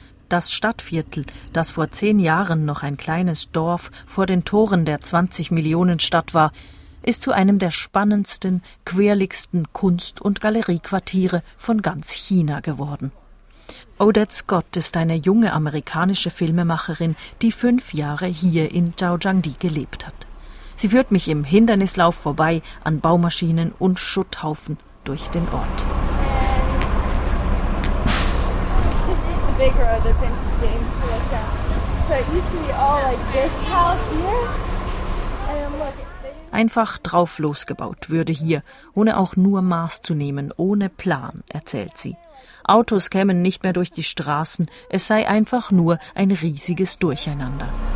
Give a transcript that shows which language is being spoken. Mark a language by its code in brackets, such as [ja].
[de] Das Stadtviertel, das vor 10 Jahren noch ein kleines Dorf vor den Toren der 20-Millionen-Stadt war, ist zu einem der spannendsten, quirligsten Kunst- und Galeriequartiere von ganz China geworden. Odette Scott ist eine junge amerikanische Filmemacherin, die 5 Jahre hier in Kaohsiung-di gelebt hat. Sie führt mich im Hindernislauf vorbei an Baumaschinen und Schutthaufen durch den Ort. [en] This is the big road that's interesting to look down. So you see all like this house here? [de] Einfach drauf losgebaut würde hier, ohne auch nur Maß zu nehmen, ohne Plan, erzählt sie. Autos kämen nicht mehr durch die Straßen, es sei einfach nur ein riesiges Durcheinander.